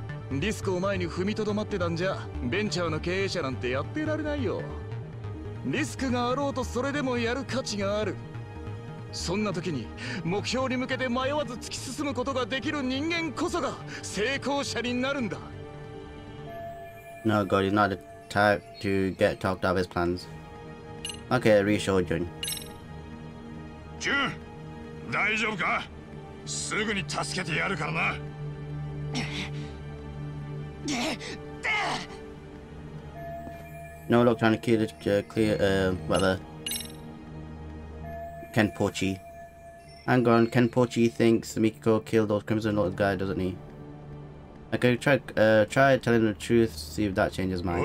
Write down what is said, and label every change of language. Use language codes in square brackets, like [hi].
[ja] リスクを前に踏みとどまってたんじゃ、ベンチャーの経営者なんてやってられないよ。リスクがあろうとそれでもやる価値がある。そんな時に目標に向けて迷わず突き進むことができる人間こそが成功者になるんだ。 [en] No, God, he's not the type to get talked out of his plans. Okay, reassure Jun. [ja] Jun, 大丈夫か？すぐに助けてやるからな。 [en] No luck trying to kill the clear, Kenpochi. Hang on, Kenpochi thinks Mikiko killed those Crimson Lotus guy, doesn't he? Okay, try telling the truth, see if that changes mind.